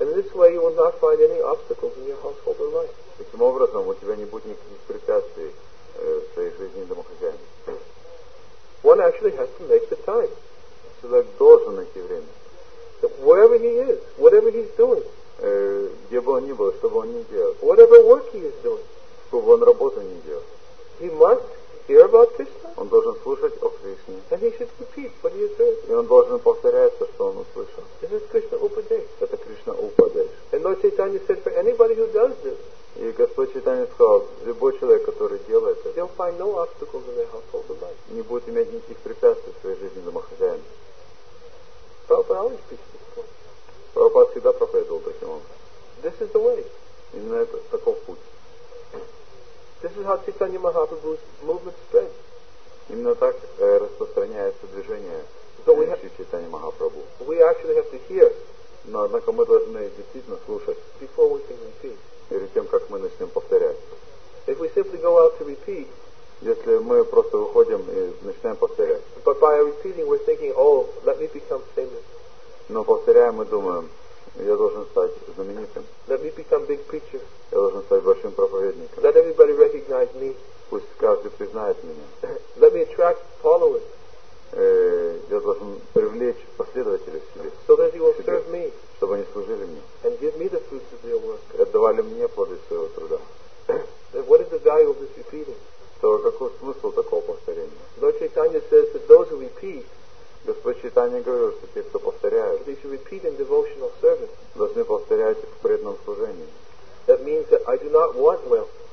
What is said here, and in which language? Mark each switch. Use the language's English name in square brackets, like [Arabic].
[English] And this way you will not find any obstacles in your household or life. [Russian] Таким образом, у тебя не будет никаких препятствий в своей жизни домохозяина. [English] One actually has to make the time. [Russian] Человек должен найти время. [English] So wherever he is, whatever he's doing. [Russian] Где бы он ни был, что бы он ни делал. [English] Whatever work he is doing. [Russian] Чтобы он работу не делал. [English] He must hear about Krishna. [Russian] Он должен слушать о Кришне. [English] And he should repeat what he has heard. [Russian] И он должен повторять то, что он услышал. [English] This is Krishna Upadesh. [Russian] Это Кришна Упадеш. [English] And Lord Chaitanya said, for anybody who does this. [Russian] И Господь Чайтанья сказал, любой человек, который делает это, [English] they'll find no obstacles in their household or life. [Russian] Не будет иметь никаких препятствий в своей жизни домохозяина. [English] Prabhupada always preached this point. [Russian] Прабхупад всегда проповедовал таким образом. [English] This is the way. [Russian] Именно это, таков путь. [English] This is how Chaitanya Mahaprabhu's movement spread. [Russian] Именно так распространяется движение Чайтанья Махапрабху. [English] We actually have to hear. [Russian] Но однако мы должны действительно слушать. [English] Before we can repeat. [Russian] Перед тем, как мы начнем повторять. [English] If we simply go out to repeat. [Russian] Если мы просто выходим и начинаем повторять. [English] But by repeating we're thinking, oh, let me become famous. [Russian] Но повторяя, мы думаем, я должен стать знаменитым. [English] Let me become big preacher. [Russian] Я должен стать большим проповедником. [English] Let everybody recognize me. [Russian] Пусть каждый признает меня. [English] Let me attract followers. [Russian] Я должен привлечь последователей к себе. [English] So that he will serve me. [Russian] Чтобы они служили мне. [English] And give me the fruits of their work. [Russian] Отдавали мне плоды своего труда. [English] Then what is the value of this repeating? [Russian] То какой смысл такого повторения? [English] Lord Chaitanya says that those who repeat. [Russian] Господь Чайтанья говорил, что те, кто повторяют, [English] they should repeat in devotional service. [Russian] Должны повторять в преданном служении. [English] That means that I do not want wealth.